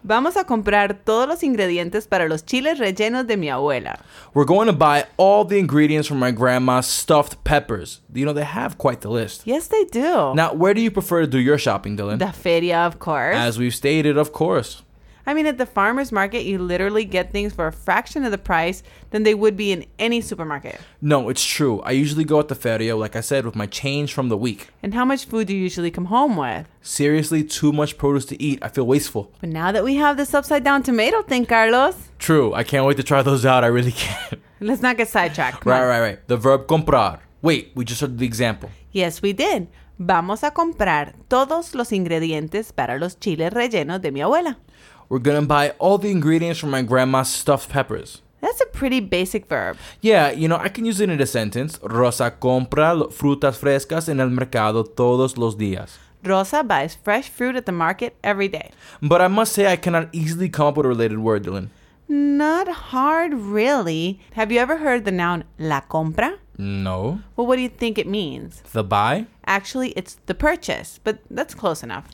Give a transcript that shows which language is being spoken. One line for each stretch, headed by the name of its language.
Spanish: Vamos a comprar todos los ingredientes para los chiles rellenos de mi abuela.
English: We're going to buy all the ingredients for my grandma's stuffed peppers. You know, they have quite the list. Yes, they do. Now, where do you prefer to do your shopping, Dylan? The feria, of course. As we've stated, of course. I mean, at the farmer's market, you literally get things for a fraction of the price than they would be in any supermarket. No, it's true. I usually go at the feria, like I said, with my change from the week. And how much food do you usually come home with? Seriously, too much produce to eat. I feel wasteful. But now that we have this upside down tomato thing, Carlos. True. I can't wait to try those out. I really can't. Let's not get sidetracked. Right. The verb comprar. Wait, we just heard the example. Yes, we did.
Spanish: Vamos a comprar todos los ingredientes para los chiles rellenos de mi abuela.
English: We're going to buy all the ingredients for my grandma's stuffed peppers. That's a pretty basic verb. Yeah, you know, I can use it in a sentence.
Spanish: Rosa compra frutas frescas en el mercado todos los días.
English: Rosa buys fresh fruit at the market every day. But I must say I cannot easily come up with a related word, Dylan. Not hard, really. Have you ever heard the noun la compra? No. Well, what do you think it means? The buy? Actually, it's the purchase, but that's close enough.